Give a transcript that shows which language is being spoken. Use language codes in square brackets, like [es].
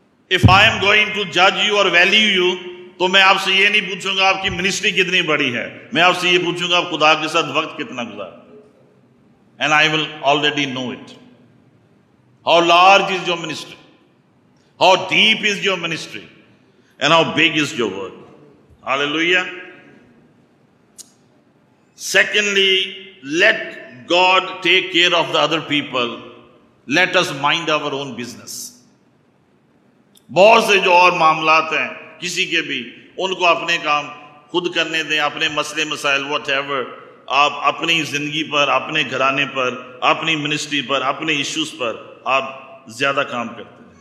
[en] if I am going to جج you اور value you, [ur] تو میں آپ سے یہ نہیں پوچھوں گا آپ کی منسٹری کتنی بڑی ہے، میں آپ سے یہ پوچھوں گا آپ خدا کے ساتھ وقت کتنا گزار. [en] And I will already know it how large is your ministry. How deep is your ministry and how big is your work. Hallelujah. Secondly, let God take care of the other people. Let us mind our own business. [ur] بہت سے جو اور معاملات ہیں کسی کے بھی ان کو اپنے کام خود کرنے دیں, اپنے مسئلے مسائل وٹ ایور, آپ اپنی زندگی پر, اپنے گھرانے پر, اپنی منسٹری پر, اپنے ایشوز پر آپ زیادہ کام کرتے ہیں.